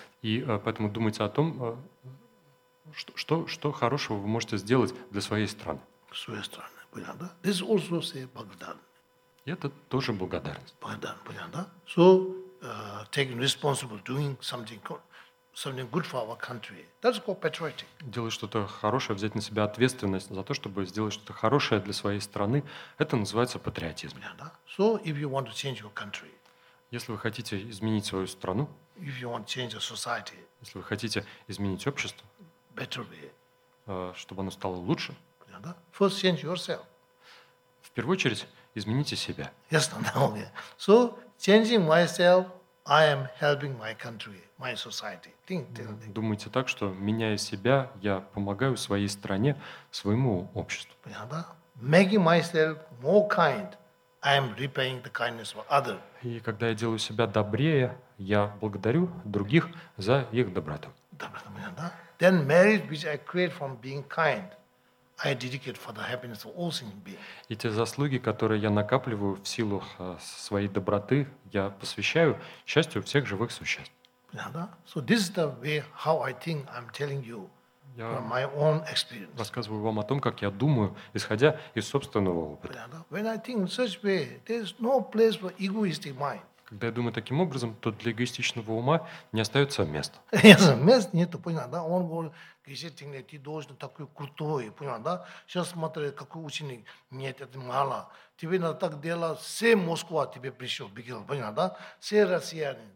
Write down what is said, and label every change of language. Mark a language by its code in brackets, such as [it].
[ru] И поэтому думайте о том, что хорошего вы можете сделать для своей страны. Своей страны, понятно, да? [en] This also say [ru] благодарность. Это тоже благодарность. Благодарность, понятно, да? [en] So taking responsible, doing something good for our country. That's called patriotic. [ru] Делать что-то хорошее, взять на себя ответственность за то, чтобы сделать что-то хорошее для своей страны, это называется патриотизм. Yeah, да? [en] So if you want to change your country, [ru] если вы хотите изменить свою страну, [en] if you want to change your society, [ru] если вы хотите изменить общество, [en] better way, [ru] чтобы оно стало лучше, [en] yeah, да? First change yourself. [ru] В первую очередь измените себя. Ясно, да? [en] So changing myself, I am helping my country, my society. Think. [ru] Думайте так, что меняя себя, я помогаю своей стране, своему обществу. Понятно, да? [en] Making myself more kind, I am repaying the kindness of other. [ru] И когда я делаю себя добрее, я благодарю других за их доброту. Доброта, понятно, да? [en] Then marriage, which I create from being kind, I dedicate for the happiness of all sentient beings. [ru] И те заслуги, которые я накапливаю в силу своей доброты, я посвящаю счастью всех живых существ. Yeah, да? [en] So this is the way how I think I'm telling you [ru] я [en] from my own experience. [ru] Рассказываю вам о том, как я думаю, исходя из собственного опыта. Yeah, да? [en] When I think in such way, there's no place for egoistic mind. [ru] Когда я думаю таким образом, то для эгоистичного ума не остается места. Мест нету, понял, да? Он говорит, ты должен такой крутой, понял, да? Сейчас смотри, какой ученик. Нет, это мало. Тебе надо так делать, все Москва тебе пришел, бегал, понял, да? Все россияне.